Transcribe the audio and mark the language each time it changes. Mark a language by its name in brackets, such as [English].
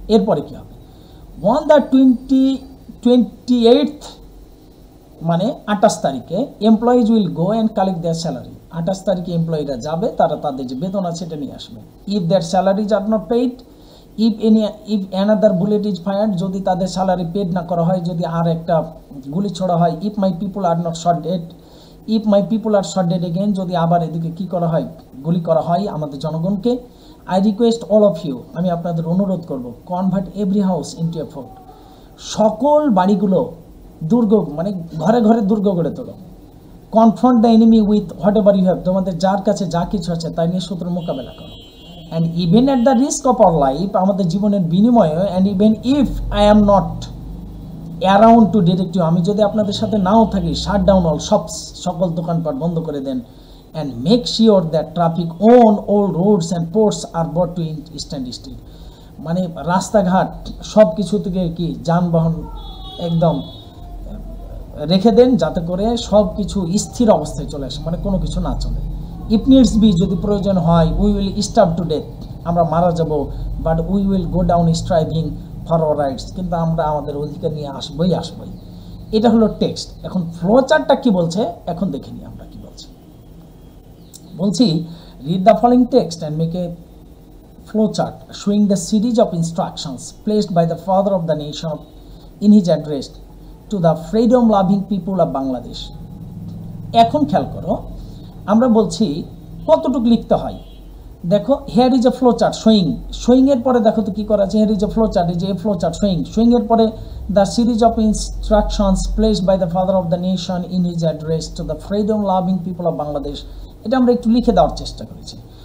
[Bangla] এরপরে কী হবে, [English] on the 28th [Bangla] মানে 28 তারিখে [English] employees will go and collect their salary, [Bangla] 28 তারিখে এমপ্লয়িরা যাবে, তারা তাদের যে বেতন আছে সেটা নিয়ে আসবে। [English] if their salaries are not paid If another bullet is fired, [Bangla] যদি তাদের salary paid না করা হয়, যদি আর একটা গুলি ছোড়া হয়, [English] if my people are not shot dead, if my people are shot dead again, [Bangla] যদি আবার এদিকে কি করা হয়, গুলি করা হয় আমাদের জনগণকে, [English] I request all of you, [Bangla] আমি আপনাদের অনুরোধ করব, [English] convert every house into a fort. [Bangla] সকল বাড়িগুলো দুর্গ মানে ঘরে ঘরে দুর্গ গড়ে তোলো. [English] Confront the enemy with whatever you have. [Bangla] তোমাদের যার কাছে যা কিছু আছে তাই নিয়ে শত্রুর মোকাবেলা করো. [English] And even at the risk of our life, [Bangla] আমাদের জীবনের বিনিময়ে, [English] and even if I am not around to direct you, [Bangla] আমি যদি আপনাদের সাথে নাও থাকি, [English] shut down all shops, [Bangla] সকল দোকানপাট বন্ধ করে দেন, [English] and make sure that traffic on all roads and ports are brought to standstill. [Bangla] মানে রাস্তাঘাট সব কিছু থেকে কি যানবাহন একদম রেখে দেন, যাতে করে সব কিছু স্থির অবস্থায় চলে আসে, মানে কোনো কিছু না চলে. [English] If needs be, [Bangla] যদি প্রয়োজন হয়, [English] we will starve to death. [Bangla] আমরা মারা যাব, [English] but we will go down striving for our rights. [Bangla] কিন্তু আমরা আমাদের অধিকার নিয়ে আসবই আসবই. এটা হলো টেক্সট. এখন ফ্লোচার্টটা কি বলছে এখন দেখে নিই আমরা কি বলছি. [English] বলছি, read the following text and make a flowchart showing the series of instructions placed by the father of the nation in his address to the freedom-loving people of Bangladesh. [Bangla] এখন খেয়াল করো, আমরা বলছি কতটুকু লিখতে হয়। [English] দেখো, here is a flow chart showing, showing এর পরে দেখো তো কি করা আছে, here is a flow chart, is a flow chart showing, showing এর পরে the series of instructions place by the father of the nation in his address to the freedom loving people of Bangladesh, [Bangla] এটা আমরা একটু লিখে দেওয়ার চেষ্টা করেছি।